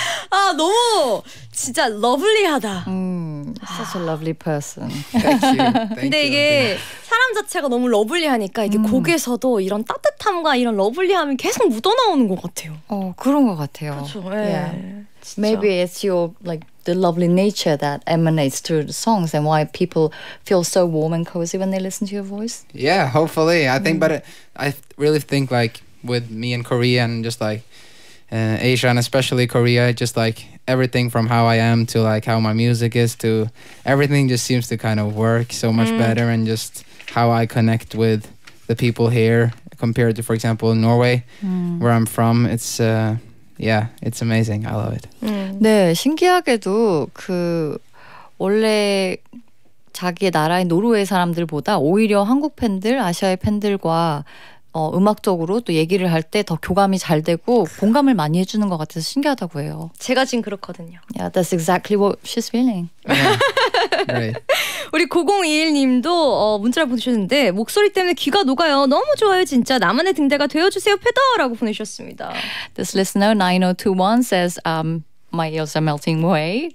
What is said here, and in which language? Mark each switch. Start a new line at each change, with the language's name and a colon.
Korean: 아 너무 진짜 러블리하다.
English: Such a lovely person. Thank you. Thank
Korean: 근데 이게 사람 자체가 너무 러블리하니까 이게 곡에서도 이런 따뜻함과 이런 러블리함이 계속 묻어나오는 것 같아요. 어 그런 것 같아요. 그렇죠. 예.
English: Yeah. Maybe it's your like. The lovely nature that emanates through the songs and why people feel so warm and cozy when they listen to your voice. Yeah, hopefully. I think, but I really think like with me in Korea and just like Asia and especially Korea, just like everything from how I am to like how my music is to everything just seems to kind of work so much better and just how I connect with the people here compared to, for example, Norway, where I'm from. It's... Yeah, it's amazing. I love it.
Korean: 네, 신기하게도 그 원래 자기의 나라인 노르웨이 사람들보다 오히려 한국 팬들, 아시아의 팬들과 음악적으로 또 얘기를 할 때 더 교감이 잘 되고 공감을 많이 해주는 것 같아서 신기하다고 해요. 제가 지금 그렇거든요.
English: Yeah, that's exactly what she's feeling. Yeah. Right.
Korean: 우리 9021님도 문자를 보내주셨는데 목소리 때문에 귀가 녹아요. 너무 좋아요 진짜. 나만의 등대가 되어주세요 페더라고 보내주셨습니다.
English: This listener 9021 says my ears are melting away.